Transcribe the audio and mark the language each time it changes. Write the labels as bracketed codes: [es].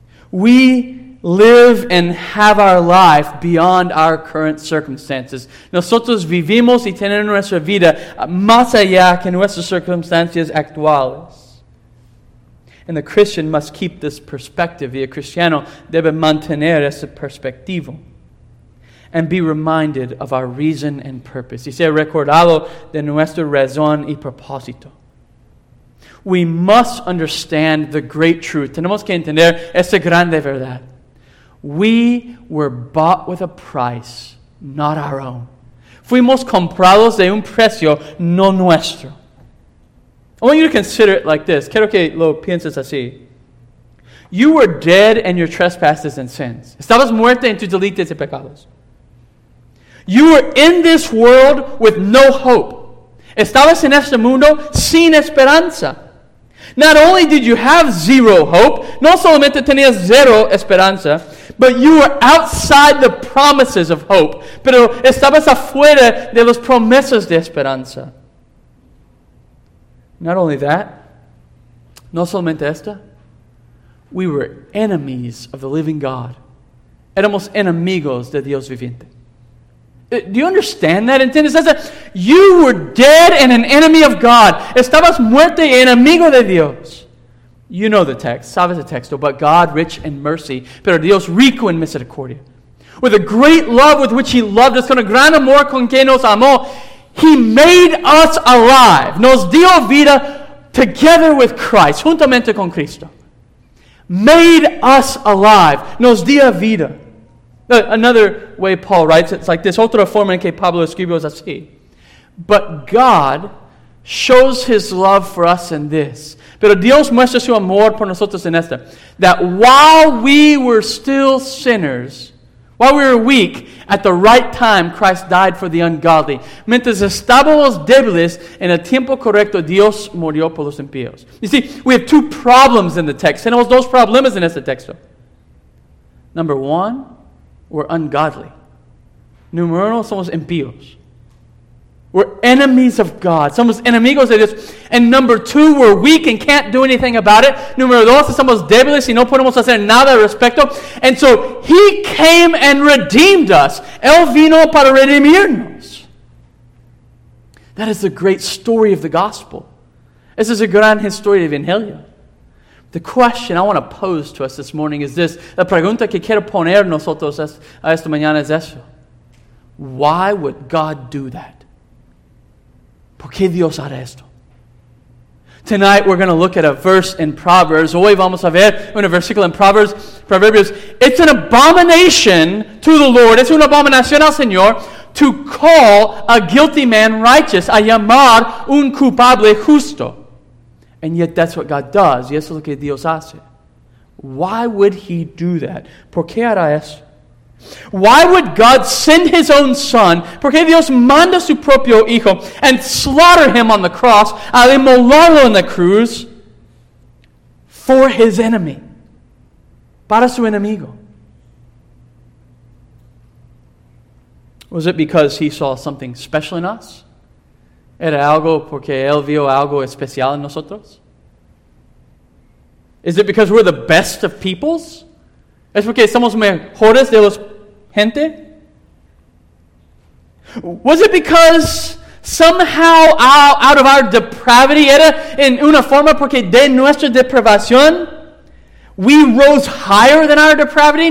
[en] We live and have our life beyond our current circumstances. [es] Nosotros vivimos y tenemos nuestra vida más allá que nuestras circunstancias actuales. [en] And the Christian must keep this perspective. [es] Y el cristiano debe mantener ese perspectivo. [en] And be reminded of our reason and purpose. [es] Y ser recordado de nuestra razón y propósito. [en] We must understand the great truth. [es] Tenemos que entender esa grande verdad. [en] We were bought with a price, not our own. [es] Fuimos comprados de un precio no nuestro. [en] I want you to consider it like this. [es] Quiero que lo pienses así. [en] You were dead in your trespasses and sins. [es] Estabas muerto en tus delitos y pecados. [en] You were in this world with no hope. [es] Estabas en este mundo sin esperanza. [en] Not only did you have zero hope, [es] no solamente tenías zero esperanza, [en] but you were outside the promises of hope. [es] Pero estabas afuera de las promesas de esperanza. [en] Not only that, [es] no solamente esta, [en] we were enemies of the living God. [es] Éramos enemigos de Dios viviente. [en] Do you understand that? [es] ¿Entiendes eso? [en] You were dead and an enemy of God. [es] Estabas muerto y enemigo de Dios. [en] You know the text. [es] Sabes el texto. [en] But God, rich in mercy, [es] pero Dios rico en misericordia. [en] With a great love with which He loved us, [es] con el gran amor con que nos amó, [en] He made us alive. [es] Nos dio vida [en] together with Christ, [es] juntamente con Cristo. [en] Made us alive. [es] Nos dio vida. [en] Another way Paul writes, it's like this. [es] Otra forma en que Pablo escribió es así. [en] But God shows His love for us in this. [es] Pero Dios muestra su amor por nosotros en esta. [en] That while we were still sinners, while we were weak, at the right time Christ died for the ungodly. [es] Mientras estábamos débiles, en el tiempo correcto Dios murió por los impíos. [en] You see, we have two problems in the text. [es] Tenemos dos problemas en este texto. [en] Number one, we're ungodly. [es] Número uno, somos impíos. [en] We're enemies of God. [es] Somos enemigos de Dios. [en] And number two, we're weak and can't do anything about it. [es] Número dos, somos débiles y no podemos hacer nada al respecto. [en] And so, He came and redeemed us. [es] Él vino para redimirnos. [en] That is the great story of the gospel. This is a [es] gran historia del Evangelio. [en] The question I want to pose to us this morning is this. [es] La pregunta que quiero poner nosotros a esta mañana es eso. [en] Why would God do that? [es] ¿Por qué Dios hará esto? [en] Tonight we're going to look at a verse in Proverbs. [es] Hoy vamos a ver un versículo en Proverbs. [en] It's an abomination to the Lord. [es] Es una abominación al Señor [en] to call a guilty man righteous. [es] A llamar un culpable justo. [en] And yet that's what God does. [es] Y eso es lo que Dios hace. [en] Why would He do that? [es] ¿Por qué hará eso? [en] Why would God send His own Son? [es] ¿Por qué Dios manda su propio Hijo [en] and slaughter Him on the cross, [es] al inmolarlo en la cruz, [en] for His enemy? [es] Para su enemigo. [en] Was it because He saw something special in us? [es] ¿Era algo porque Él vio algo especial en nosotros? [en] ¿Is it because we're the best of peoples? [es] ¿Es porque somos mejores de los gente? [en] ¿Was it because somehow out of our depravity, [es] era en una forma porque de nuestra depravación, [en] we rose higher than our depravity?